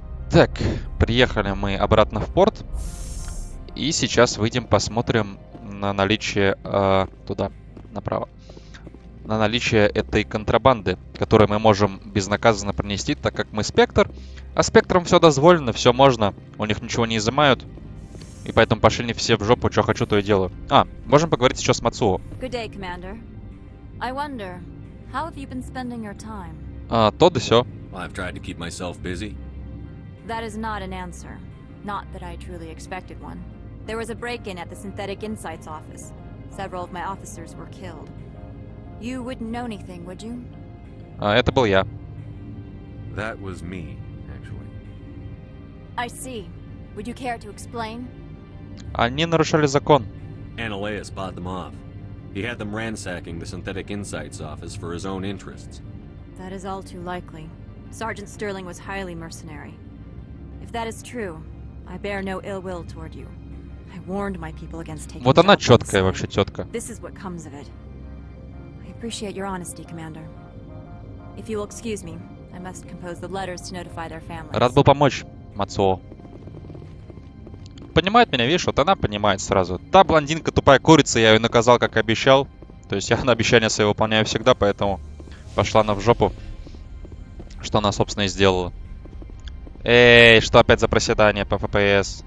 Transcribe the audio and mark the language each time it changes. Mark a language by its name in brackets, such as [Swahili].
[Russian] Так, приехали мы обратно в порт. И сейчас выйдем, посмотрим на наличие туда, направо. На наличие этой контрабанды, которую мы можем безнаказанно пронести, так как мы спектр. А спектром все дозволено, все можно. У них ничего не изымают. И поэтому пошли не все в жопу, что хочу, то и делаю. А, можем поговорить еще с Мацуо. [English] Good day, Commander. I wonder, how have you been spending your time? [Russian] А, то да сё. [English] I've tried to keep myself busy. That is not an answer. Not that I truly expected one. There was a break-in at the Synthetic Insights office. Several of my officers were killed. You wouldn't know anything, would you? [Russian] Это был я. [English] That was me, actually. I see. Would you care to explain? [Russian] Они нарушали закон. [English] Анелеус bought them off. He had them ransacking the Synthetic Insights office for his own interests. That is all too likely. Sergeant Sterling was highly mercenary. If that is true, I bear no ill will toward you. I warned my people against taking. [Russian] Вот она четкая вообще тетка. [English] This is what comes of it. Appreciate your honesty, Commander. If you will excuse me, I must compose the letters to notify their families. [Russian] Рад был помочь, Мацуо. Понимает меня, видишь, вот она понимает сразу. Та блондинка тупая курица, я ее наказал, как и обещал. То есть я на обещания свои выполняю всегда, поэтому пошла она в жопу. Что она, собственно, и сделала. Эй, что опять за проседание по ФПС?